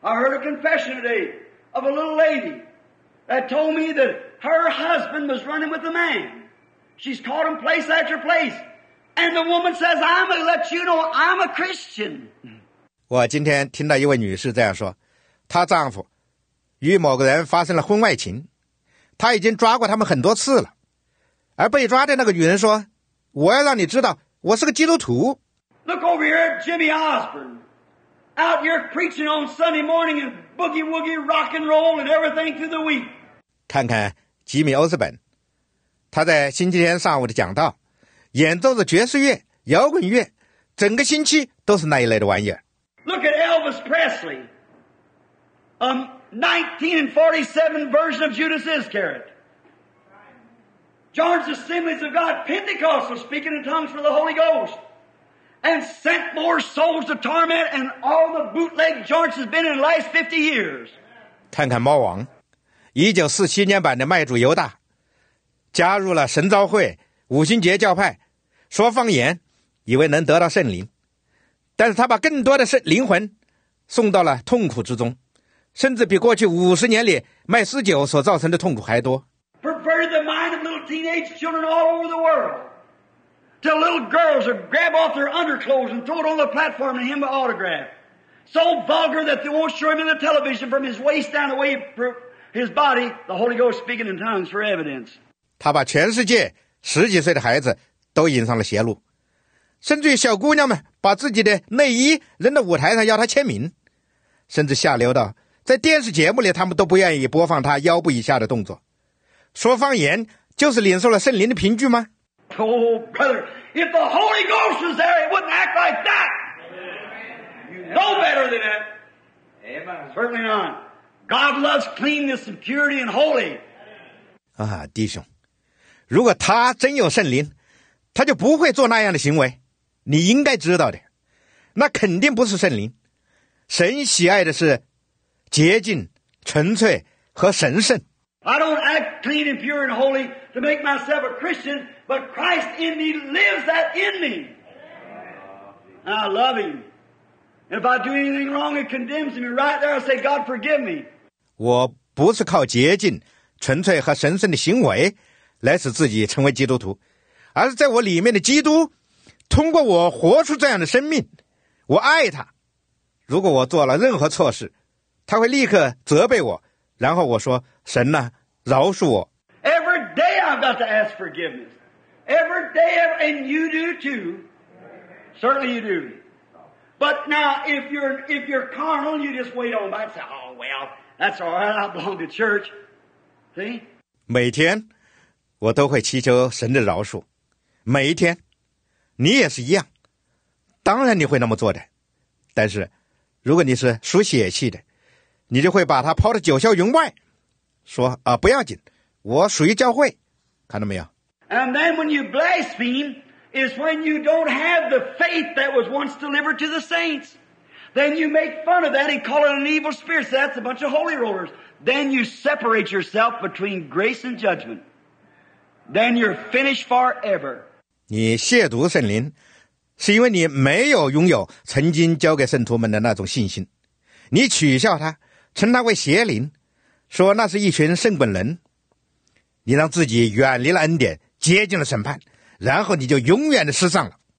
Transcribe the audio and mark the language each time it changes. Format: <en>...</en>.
<en>I heard a confession today of a little lady that told me that her husband was running with a man. She's caught him place after place. And the woman says, I'm going to let you know I'm a Christian.</en> <zh>我今天听到一位女士这样说，她丈夫与某个人发生了婚外情，她已经抓过他们很多次了。而被抓的那个女人说，我要让你知道我是个基督徒。</zh> <en>Look over here at Jimmy Osborne. Out here preaching on Sunday morning and boogie woogie rock and roll and everything through the week.</en> <zh>看看吉米欧斯本，他在星期天上午的讲道，演奏着爵士乐、摇滚乐，整个星期都是那一类的玩意儿。</zh> <en>Look at Elvis Presley, 1947 version of Judas Iscariot. Joins the Assemblies of God, Pentecostal, speaking in tongues for the Holy Ghost. And sent more souls to torment and all the bootleg joints has been in the last 50 years.</en> <zh>看看猫王1947年版的卖主犹大加入了神召会五旬节教派说方言以为能得到圣灵。但是他把更多的灵魂送到了痛苦之中甚至比过去50年里卖私酒所造成的痛苦还多。</zh> <en>Perverted the mind of little teenage children all over the world. Till little girls would grab off their underclothes and throw it on the platform and him an autograph. So vulgar that they won't show him in the television from his waist down the way of his body, the Holy Ghost speaking in tongues for evidence.</en> <zh>他把全世界十几岁的孩子都引上了邪路。甚至于小姑娘们把自己的内衣扔到舞台上要他签名。甚至下流到在电视节目里他们都不愿意播放他腰部以下的动作。说方言就是领受了圣灵的凭据吗？</zh> <en>Oh, brother, if the Holy Ghost was there, it wouldn't act like that. You know better than that. Certainly not. God loves cleanness and purity and holy.</en> <zh>啊，弟兄，如果他真有圣灵，他就不会做那样的行为。你应该知道的，那肯定不是圣灵。神喜爱的是洁净、纯粹和神圣。</zh> <en>I don't act clean and pure and holy to make myself a Christian, but Christ in me lives that in me. And I love him. And if I do anything wrong, it condemns me. Right there, I say, God, forgive me.</en> <zh>我不是靠洁净、纯粹和神圣的行为来使自己成为基督徒，而是在我里面的基督通过我活出这样的生命。我爱他。如果我做了任何错事，他会立刻责备我。然后我说神呢、啊、饶恕我</zh> <en>Every day I've got to ask forgiveness Every day and you do too Certainly you do But now if you're carnal You just wait on by and say Oh well that's alright I belong to church See</en> <zh>每天我都会祈求神的饶恕每一天你也是一样当然你会那么做的但是如果你是属血气的你就会把他抛得九霄云外说啊，不要紧我属于教会看到没有</zh> <en>And then when you blaspheme is when you don't have the faith that was once delivered to the saints then you make fun of that and call it an evil spirit so that's a bunch of holy rollers then you separate yourself between grace and judgment then you're finished forever</en> <zh>你亵渎圣灵是因为你没有拥有曾经交给圣徒们的那种信心你取笑他称他为邪灵说那是一群圣本人你让自己远离了恩典接近了审判然后你就永远的失丧了</zh>